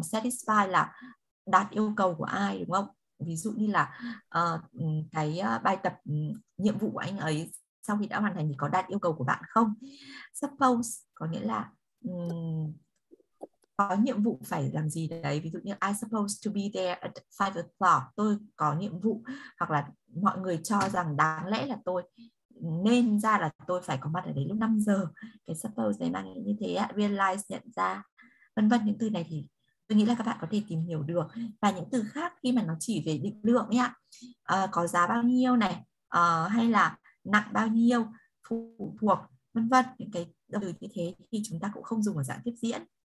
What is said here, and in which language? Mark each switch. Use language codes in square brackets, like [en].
[vi] Satisfy là đạt yêu cầu của ai đúng không? Ví dụ như là cái bài tập nhiệm vụ của anh ấy sau khi đã hoàn thành thì có đạt yêu cầu của bạn không? Suppose có nghĩa là có nhiệm vụ phải làm gì đấy. Ví dụ như [en] I supposed to be there at 5 o'clock. [vi] Tôi có nhiệm vụ, hoặc là mọi người cho rằng đáng lẽ là tôi nên ra là tôi phải có mặt ở đấy lúc 5 giờ. Cái suppose này mang như thế, realize, nhận ra, vân vân. Những từ này thì tôi nghĩ là các bạn có thể tìm hiểu được. Và những từ khác khi mà nó chỉ về định lượng nhá, có giá bao nhiêu này, hay là nặng bao nhiêu, phụ thuộc, vân vân, những cái từ như thế thì chúng ta cũng không dùng ở dạng tiếp diễn.